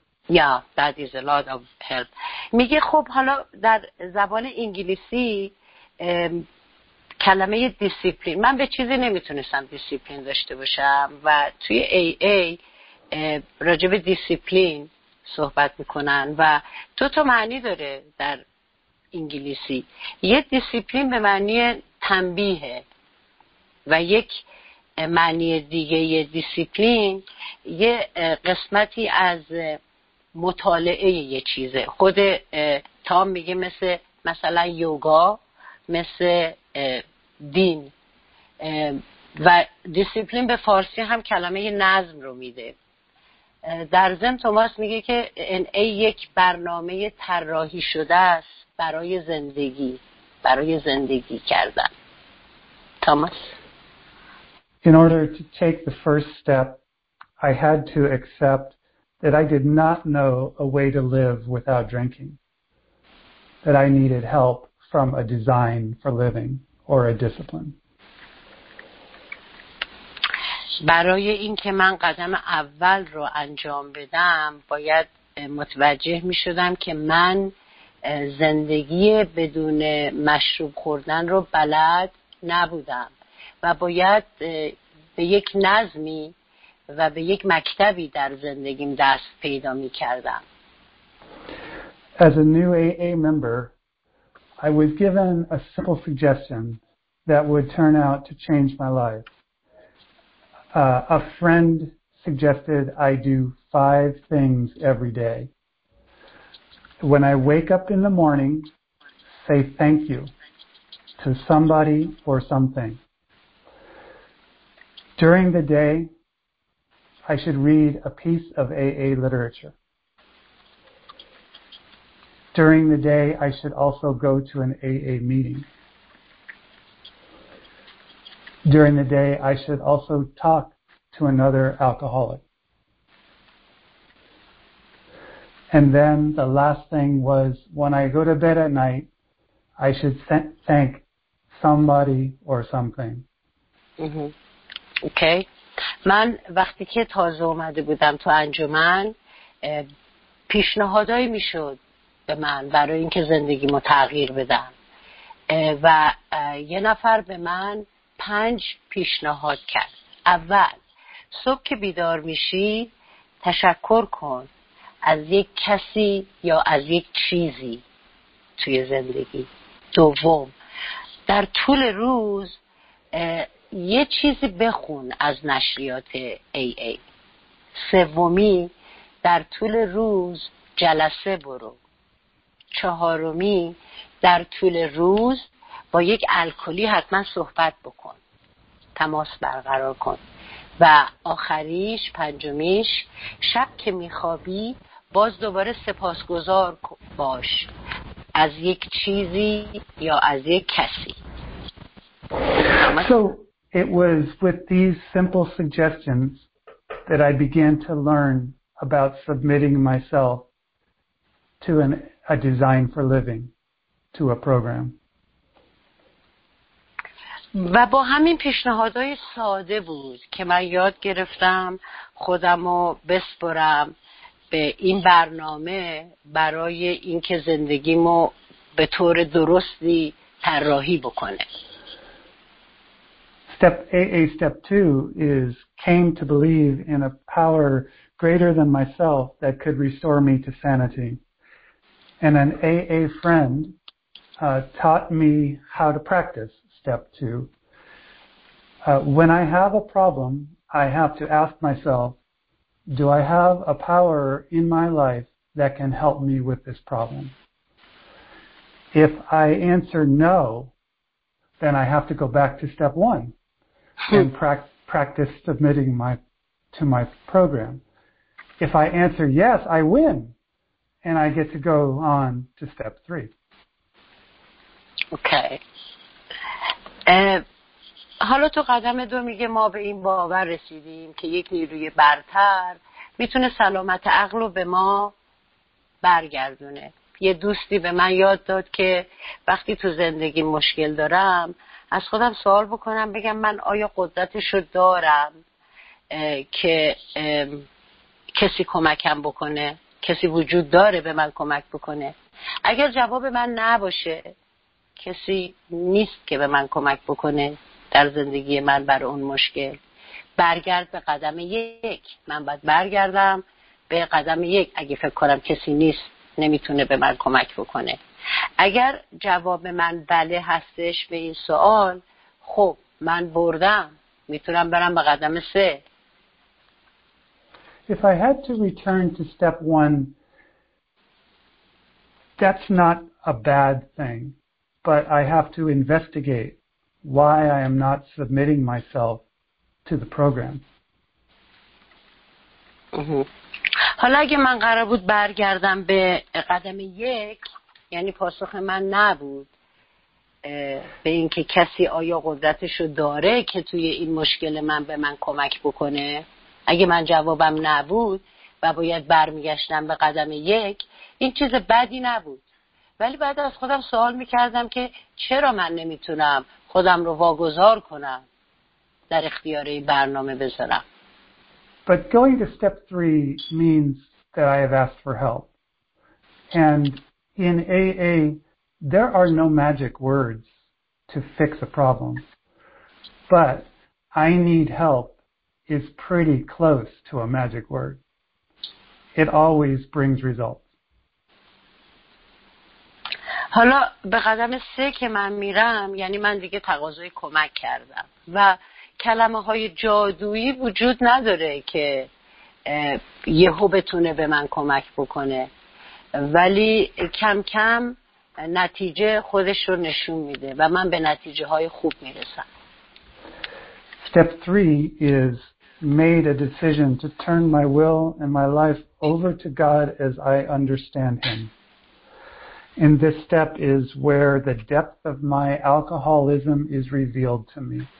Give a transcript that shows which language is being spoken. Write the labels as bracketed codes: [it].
[en] Yeah, that is a lot of help. [fa] میگه خب حالا در زبان انگلیسی کلمه دیسیپلین، من به چیزی نمیتونستم دیسیپلین داشته باشم و توی AA راجب دیسیپلین صحبت میکنن و دو تا معنی داره در انگلیسی. یه دیسیپلین به معنی تنبیهه و یک معنی دیگه یه دیسیپلین یه قسمتی از مطالعه یه چیزه. خود تام میگه مثلا یوگا، مثل دین. و دیسیپلین به فارسی هم کلمه نظم رو میده در زم توماس میگه که NA یک برنامه طراحی شده است برای زندگی، برای زندگی کردن. توماس: [en] In order to take the first step, I had to accept that I did not know a way to live without drinking. That I needed help from a design for living or a discipline. [fa] برای اینکه من قدم اول رو انجام بدم، باید متوجه می‌شدم که من زندگی بدون مشروب خوردن رو بلد نبودم و باید به یک نظمی و به یک مکتبی در زندگیم دست پیدا می‌کردم. [en] As a new AA member, I was given a simple suggestion that would turn out to change my life. A friend suggested I do 5 things every day. When I wake up in the morning, say thank you to somebody or something. During the day, I should read a piece of AA literature. During the day, I should also go to an AA meeting. During the day, I should also talk to another alcoholic. And then the last thing was, when I go to bed at night, I should thank somebody or something. Mm-hmm. Okay. [fa] من وقتی که تازه اومده بودم تو انجمن، پیشنهادایی میشد به من برای اینکه زندگیمو تغییر بدم. و یه نفر به من 5 پیشنهاد کرد. اول، صبح که بیدار میشی تشکر کن از یک کسی یا از یک چیزی توی زندگی. دوم، در طول روز یه چیزی بخون از نشریات AA. سومی، در طول روز جلسه برو. چهارمی، در طول روز با یک الکلی حتما صحبت بکن، تماس برقرار کن. و آخریش، پنجمیش، شب که میخوابی باز دوباره سپاسگزار باش از یک چیزی یا از یک کسی. [en] So it was with these simple suggestions that I began to learn about submitting myself to a design for living, to a program. [fa] و با همین پیشنهادهای ساده بود که من یاد گرفتم خودم رو بسپرم به این برنامه برای اینکه زندگیمو به طور درستی طراحی بکنه. [en] Step AA step 2 is came to believe in a power greater than myself that could restore me to sanity. And an AA friend taught me how to practice. Step 2. When I have a problem, I have to ask myself, do I have a power in my life that can help me with this problem? If I answer no, then I have to go back to step 1 and practice submitting to my program. If I answer yes, I win and I get to go on to step 3. Okay. [fa] حالا تو قدم دو میگه ما به این باور رسیدیم که یک نیروی برتر میتونه سلامت عقل رو به ما برگردونه. یه دوستی به من یاد داد که وقتی تو زندگی مشکل دارم از خودم سوال بکنم، بگم من آیا قدرتش رو دارم که کسی کمکم بکنه، کسی وجود داره به من کمک بکنه. اگر جواب من نباشه، کسی نیست که به من کمک بکنه در زندگی من بر اون مشکل، برگرد به قدم 1. من باید برگردم به قدم 1 اگه فکر کنم کسی نیست نمیتونه به من کمک بکنه. اگر جواب من بله هستش به این سوال، خب من بردم، میتونم برم به قدم 3. [en] If I had to return to step 1, that's not a bad thing. But I have to investigate why I am not submitting myself to the program. Mm-hmm. [fa] حالا اگه من قرار بود برگردم به قدم یک، یعنی پاسخ من نبود به اینکه کسی آیا قدرتشو داره که توی این مشکل من به من کمک بکنه، اگه من جوابم نبود و باید برمیگشتم به قدم یک، این چیز بدی نبود. ولی بعد از خودم سوال میکردم که چرا من نمیتونم خودم رو واگذار کنم در اختیار این برنامه بذارم. [en] But going to step three means that I have asked for help. And in AA, there are no magic words to fix a problem. But I need help is pretty close to a magic word. It always brings results. [fa] حالا به قدم سه که من میرم، یعنی من دیگه تقاضای کمک کردم و کلمه های جادویی وجود نداره که یهو بتونه به من کمک بکنه، ولی کم کم نتیجه خودش رو نشون میده و من به نتیجه های خوب میرسم. [en] Step three is made a decision to turn my will and my life over to God as I understand him. And this step is where the depth of my alcoholism is revealed to me.